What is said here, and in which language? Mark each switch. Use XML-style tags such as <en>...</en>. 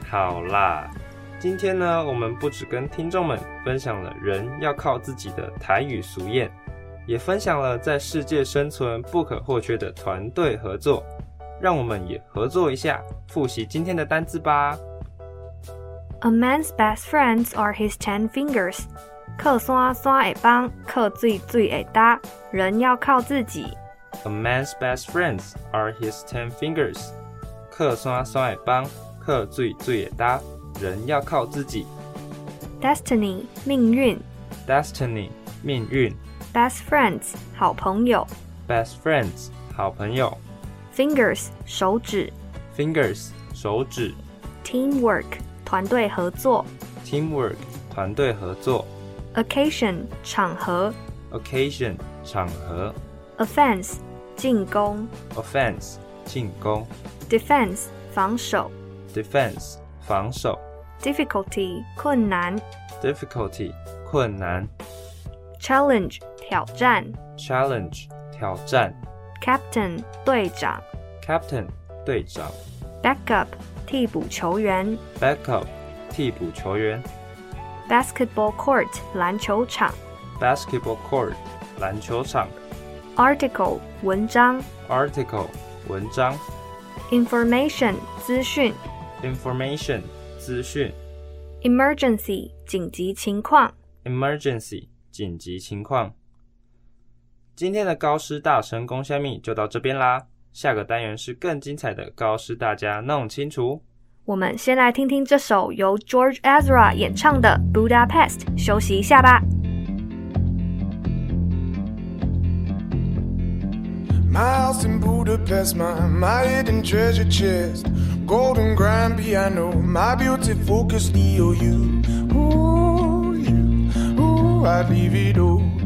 <zh>好啦，今天呢，我们不只跟听众们分享了人要靠自己的台语俗谚，也分享了在世界生存不可或缺的团队合作。让我们也合作一下，复习今天的单字吧。</zh> <en>A man's best friends are his 10 fingers.</en> <zh>靠山山会帮，靠水水会搭，人要靠自己。</zh> <en>A man's best friends are his 10 fingers.</en> <zh>客山山会帮，客水水会搭，人要靠自己。</zh> <en>Destiny 命运。 Destiny 命运。 Best friends 好朋友。 Best friends 好朋友。 Fingers 手指。 Fingers 手指。 Teamwork 团队合作。 Teamwork 团队合作。 Occasion 场合。 Occasion 场合。 Offense 进攻。 Offense 进攻。 Defense 防守。 Defense 防守。 Difficulty 困难。 Difficulty 困难。 Challenge 挑战。 Challenge 挑战。 Captain 队长。 Captain 队长。 Backup 替补球员。 Backup 替补球员。 Basketball court 篮球场。 Basketball court 篮球场。 Article 文章。 Article 文章。 Information 资讯。 Information 资讯。 Emergency 紧急情况。</en> <zh>Emergency 紧急情况。今天的高师大神功虾米就到这边啦，下个单元是更精彩的高师大家弄清楚。我们先来听听这首由 George Ezra 演唱的 Budapest， 休息一下吧。</zh> <en>My house in Budapest, my hidden treasure chest, golden grand piano, my beauty focus need on you. Ooh, you, ooh, I'd leave it all.</en>